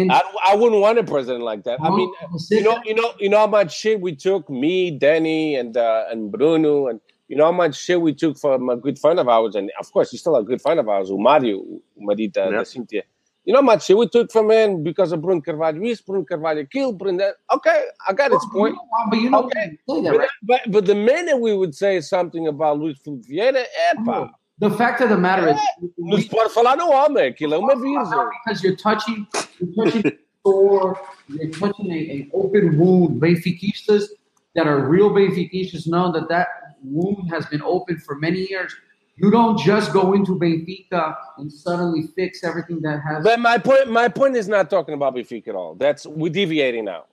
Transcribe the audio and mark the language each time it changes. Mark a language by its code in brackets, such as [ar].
[en] I wouldn't want a president like that. I mean, you know how much shit we took, me, Danny, and Bruno, and you know how much shit we took from a good friend of ours, and of course, he's still a good friend of ours, Mario, Marita, yep. Cynthia. You know how much shit we took from him because of Bruno Carvalho. Is Bruno Carvalho killed Bruno? Okay, I got its point. But the minute we would say something about Luis Felipe Vieira, the fact of the matter is, [pt] Luis pode falar no homem, aquilo é uma visa. [en] Because you're touching an open wound. Benfiquistas that are real Benfiquistas know that wound has been open for many years. You don't just go into Benfica and suddenly fix everything that has. But my point is not talking about Benfica at all. We're deviating now.